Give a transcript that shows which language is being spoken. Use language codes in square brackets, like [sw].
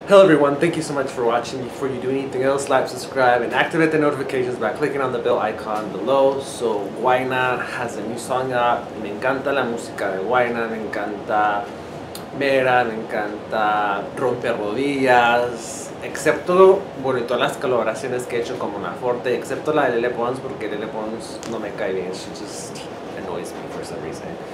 [en] Hello everyone, thank you so much for watching. Before you do anything else, like, subscribe, and activate the notifications by clicking on the bell icon below. So Guayna has a new song out. [es] Me encanta la música de Guayna, me encanta Mera, me encanta Rompe Rodillas, excepto, bueno, y todas las colaboraciones que he hecho con Mona Forte, excepto la de Lele Pons, porque Lele Pons no me cae bien. [en] She just annoys me for some reason.